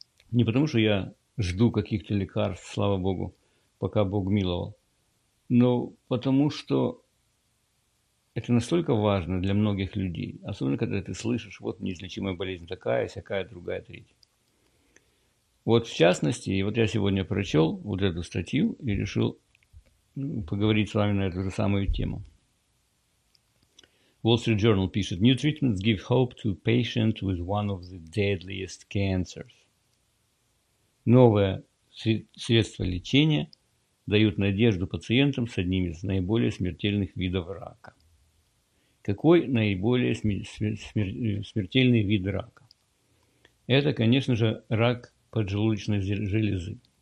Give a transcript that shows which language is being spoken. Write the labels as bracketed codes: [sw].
[ru] Не потому, что я жду каких-то лекарств, слава Богу, пока Бог миловал, но потому, что это настолько важно для многих людей, особенно когда ты слышишь, вот неизлечимая болезнь такая, всякая, другая, третья. Вот в частности, вот я сегодня прочел вот эту статью и решил поговорить с вами на эту же самую тему. [en] Wall Street Journal [ru] пишет, [en] new treatments give hope to patients with one of the deadliest cancers. [ru] Новые средства лечения дают надежду пациентам с одним из наиболее смертельных видов рака. какой наиболее смертельный вид рака? Это, конечно же, рак поджелудочной железы.